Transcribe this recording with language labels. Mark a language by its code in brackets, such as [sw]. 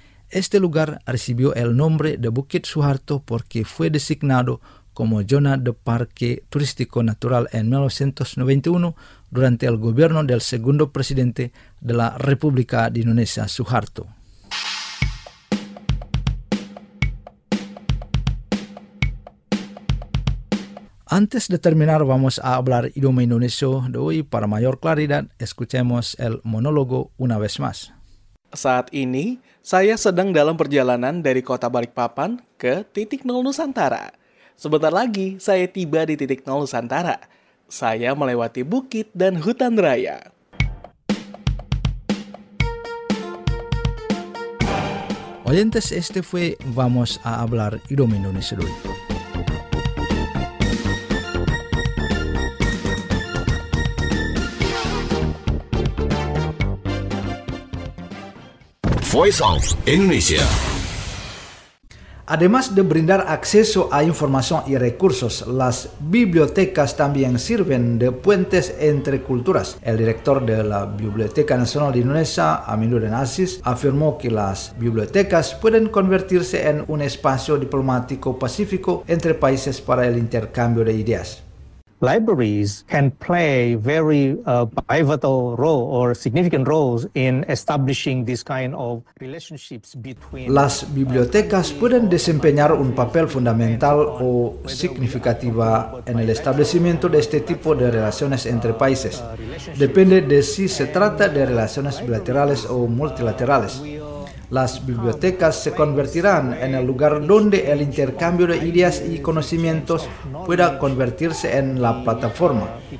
[es] Este lugar recibió el nombre de Bukit Suharto porque fue designado como zona de parque turístico natural en 1991 durante el gobierno del segundo presidente de la República de Indonesia, Suharto. Antes de terminar, vamos a hablar idioma indonesio de hoy. Para mayor claridad, escuchemos el monólogo una vez más. [id] Saat ini, saya sedang dalam perjalanan dari kota Balikpapan ke titik nol Nusantara. Sebentar lagi, saya tiba di titik nol Nusantara. Saya melewati bukit dan hutan raya. [es] Oyentes, este fue Vamos a hablar idioma indonesio de hoy. [en] Voice of Indonesia. [es] Además de brindar acceso a información y recursos, las bibliotecas también sirven de puentes entre culturas. El director de la Biblioteca Nacional de Indonesia, Aminuddin Aziz, afirmó que las bibliotecas pueden convertirse en un espacio diplomático pacífico entre países para el intercambio de ideas. [en] Libraries can play very pivotal role or significant roles in establishing this kind of relationships between. [es] Las bibliotecas pueden desempeñar un papel fundamental o significativa en el establecimiento de este tipo de relaciones entre países. Depende de si se trata de relaciones bilaterales o multilaterales. Las bibliotecas se convertirán en el lugar donde el intercambio de ideas y conocimientos pueda convertirse en la plataforma.